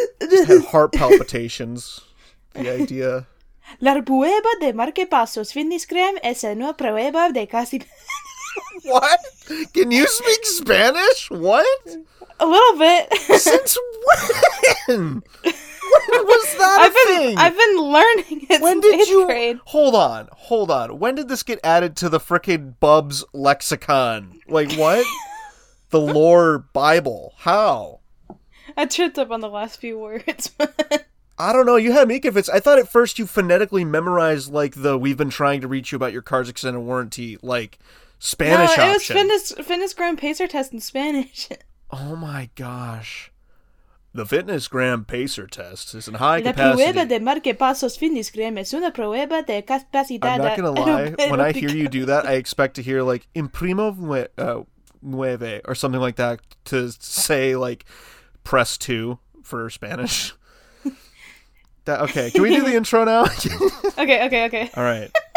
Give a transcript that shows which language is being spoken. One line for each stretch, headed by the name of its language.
English: just had heart palpitations. The idea.
Spanish: La prueba de marque pasos fitness gram es una prueba de casi.
English: What? Can you speak Spanish? What? A little bit. Since when? When was that a thing? I've been learning it. When did you? Grade. Hold on. When did this get added to the frickin' Bubs lexicon? Like what? The lore Bible? How? I tripped up on the last few words. I don't know. You had me convinced. I thought at first you phonetically memorized, like, the we've been trying to reach you about your car's extended warranty, like, Spanish option. No, it was fitness gram pacer test in Spanish. Oh, my gosh. The fitness gram pacer test is in high capacity.
Spanish: La prueba de marque pasos fitness gram es una prueba de capacidad.
English: I'm not going to lie. When I hear you do that, I expect to hear, like,
Spanish: imprimo nueve
English: or something like that to say, like, press two for Spanish. Okay, can we do the intro now? Okay. All right.